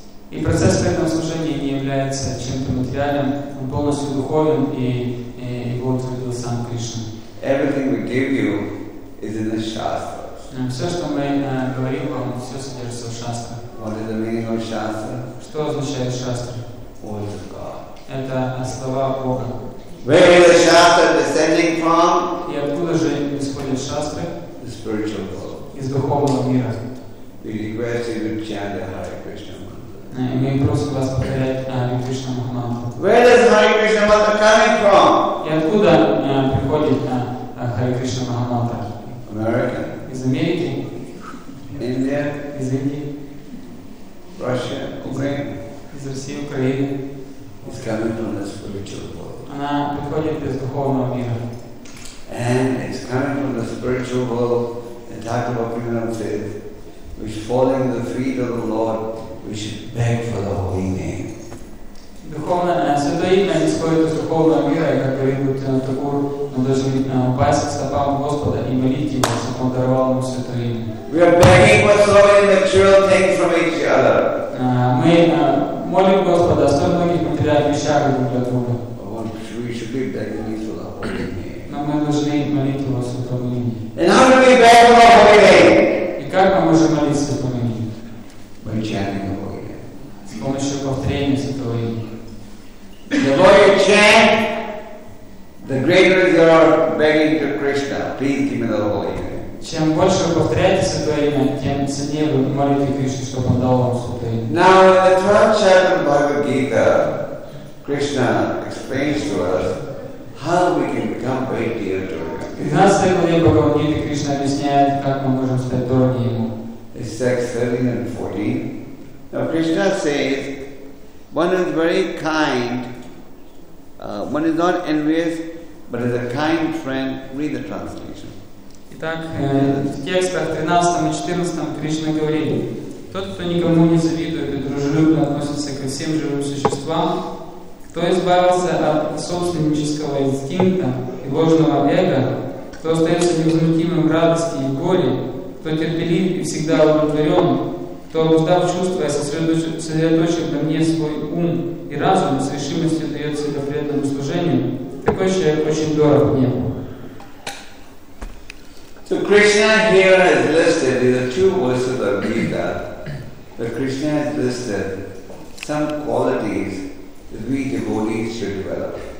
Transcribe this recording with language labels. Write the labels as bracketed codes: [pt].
[ru] И процесс преданного служения не является чем-то материальным, он полностью духовен и его утвердил сам Кришна. [en] Everything we give you is in the shastra. [ru] Все, что мы говорим вам, все содержится в шастре. [en] What is the meaning of shastra? [ru] Что означает шастра? [en] What is God? [ru] Это слова Бога. [en] Where is the shastra descending from? [ru] И откуда же исходит шастра? [en] The spiritual world. [ru] Из духовного мира. [en] We request you to chant the Hare Krishna mantra. [ru] Мы просим вас повторять Hare Krishna mantra. [en] Where does Hare Krishna mantra coming from? [ru] И откуда приходит Hare Krishna mantra? [en] America. [ru] Из Америки. [en] India. [ru] Из Индии. [en] Russia. Украина. [ru] Из России, Украины. [en] It's coming from the spiritual world. [ru] Она приходит из духовного мира. [en] And it's coming from the spiritual world. And Dr. Bhaktivinoda says, we should fall in the feet of the Lord. We should beg for the holy name. [ru] Духовное святое имя исходит из духовного мира, и как говорит Бхактивинода Тхакур, мы должны упасть к стопам Господа и молить Его, чтобы Он даровал нам святое имя. [en] We are begging for so many material things from each other. [ru] Мы молим Господа о столь многих материальных вещах друг для друга. [en] We should be begging for the holy name. [ru] Но мы должны молить Его о святом имени. [en] And how do we beg for the holy name? [ru] Как мы можем молиться по имени? [en] By chanting the holy name. [ru] С помощью повторения святого имени. [en] The more you chant, the greater is your begging to Krishna. Please give me the holy name. [ru] Чем больше вы повторяете святое имя, тем сильнее вы молите Кришну, чтобы он дал вам святое имя. [en] Now in the 12th chapter of Bhagavad Gita, Krishna explains to us how we can become very dear to him. [ru] В 15 главе Бхагавад Гиты Кришна объясняет, как мы можем стать дороги Ему. [en] It's text 13 and 14. Now Krishna says, one is very kind, one is not envious, but is a kind friend. Read the translation. [ru] Итак, в текстах 13 и 14 Кришна говорит, тот, кто никому не завидует и дружелюбно относится ко всем живым существам, кто избавился от собственнического инстинкта и ложного эго, кто остается невозмутимым в радости и горе, кто терпелив и всегда удовлетворен, кто, обуздав чувства, сосредоточив на мне свой ум и разум, с решимостью дает себя преданному служению, такой человек очень дорог мне. [en] So Krishna here has listed the two verses of Gita But Krishna has listed some qualities that we devotees should develop.